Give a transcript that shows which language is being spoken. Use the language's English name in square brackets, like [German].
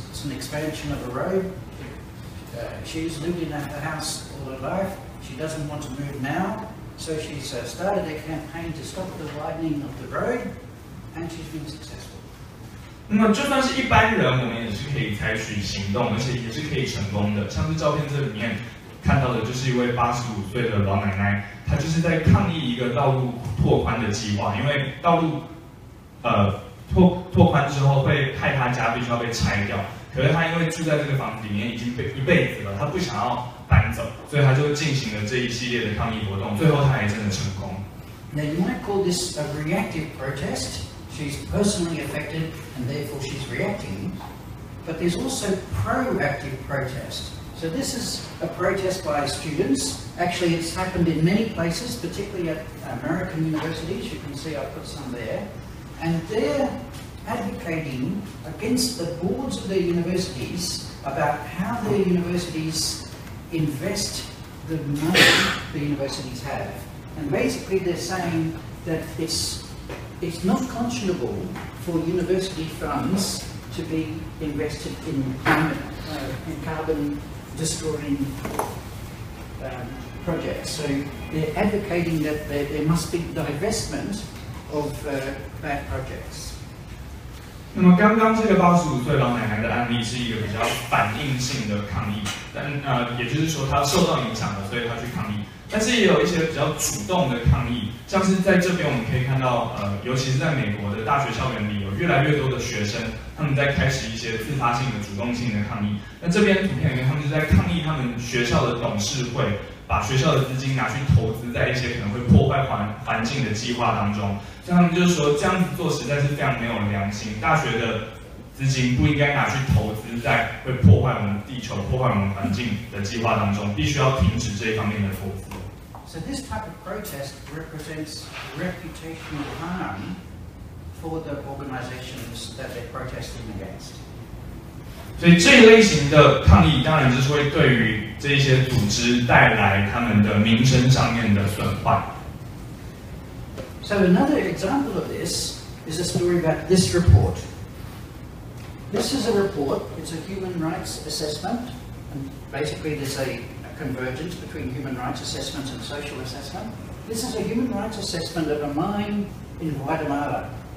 [English] It's an expansion of a road. She's lived in her house all her life. She doesn't want to move now. So she's started a campaign to stop the widening of the road, and she's been successful. [Chinese] 那么就算是一般人，我们也是可以采取行动，而且也是可以成功的。像是照片这里面看到的，就是一位85岁的老奶奶，她就是在抗议一个道路拓宽的计划，因为道路拓宽之后会害她家必须要被拆掉。可是她因为住在这个房子里面已经一辈子了，她不想要搬走，所以她就进行了这一系列的抗议活动，最后她还真的成功。 [English] Now you might call this a reactive protest. She's personally affected, and therefore she's reacting. But there's also proactive protest. So this is a protest by students. Actually, it's happened in many places, particularly at American universities. You can see I've put some there. And they're advocating against the boards of their universities about how their universities invest the money the universities have. And basically, they're saying that it's not conscionable for university funds to be invested in carbon-destroying projects. So they're advocating that there must be divestment of bad projects. [Chinese] 那么刚刚这个85岁老奶奶的案例是一个比较反应性的抗议，但也就是说她受到影响了，所以她去抗议。但是也有一些比较主动的抗议，像是在这边我们可以看到，尤其是在美国的大学校园里，有越来越多的学生，他们在开始一些自发性的、主动性的抗议。那这边图片里面，他们就在抗议他们学校的董事会把学校的资金拿去投资在一些可能会破坏环境的计划当中。像他们就是说，这样子做实在是非常没有良心，大学的资金不应该拿去投资在会破坏我们地球、破坏我们环境的计划当中，必须要停止这一方面的投资。 [English] So this type of protest represents reputational harm for the organizations that they're protesting against. [Chinese] 所以这一类型的抗议当然就是会对于这些组织带来他们的名声上面的损坏。 [English] So another example of this is a story about this report. This is a report, it's a human rights assessment, and basically there's a convergence between human rights assessments and social assessment. This is a human rights assessment of a mine in Guatemala.